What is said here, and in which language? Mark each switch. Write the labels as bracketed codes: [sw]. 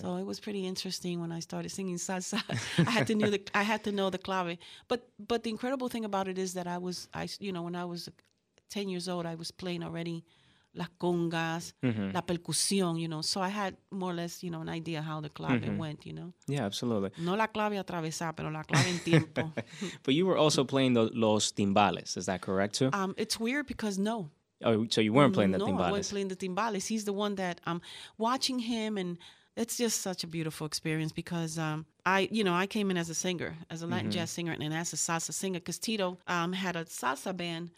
[en] So it was pretty interesting when I started singing salsa. I had to know the clave. But the incredible thing about it is that when I was 10 years old, I was playing already [es] las congas, mm-hmm. la percusión, [en] you know. So I had more or less, you know, an idea how the clave mm-hmm. went, you know. Yeah, absolutely. [es] No la clave atravesada, pero la clave en tiempo. [en] But you were also playing [es] los timbales. [en] Is that correct too? It's weird because no. Oh, so you weren't playing the timbales? No, I wasn't playing the timbales. He's the one that I'm watching him, and it's just such a beautiful experience because I came in as a singer, as a Latin mm-hmm. jazz singer, and as a salsa singer, because Tito had a salsa band,